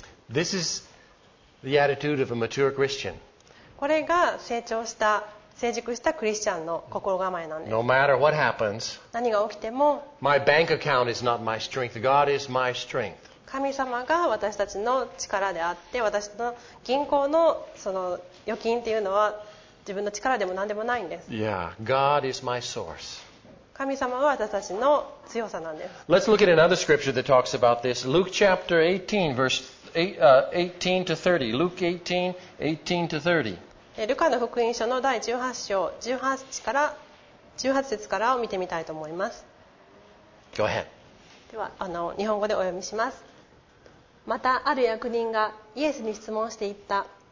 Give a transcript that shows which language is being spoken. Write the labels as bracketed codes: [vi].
[en] This is the attitude of a mature Christian. [ja] これが成長した、成熟したクリスチャンの心構えなんです。 [en] No matter what happens, [ja] 何が起きても、 [en] my bank account is not my strength. God is my strength. [ja] 神様が私たちの力であって、私の銀行のその預金っていうのは自分の力でも何でもないんです。 [en] Yeah, God is my source. [ja] 神様は私たちの強さなんです。 [en] Let's look at another scripture that talks about this. Luke chapter 18, verse 18 to 30. Luke 18, 18 to 30. [ja] ルカの福音書の第18章18節からを見てみたいと思います。 [en] Go ahead. [ja] では日本語でお読みします。またある役人がイエスに質問していった。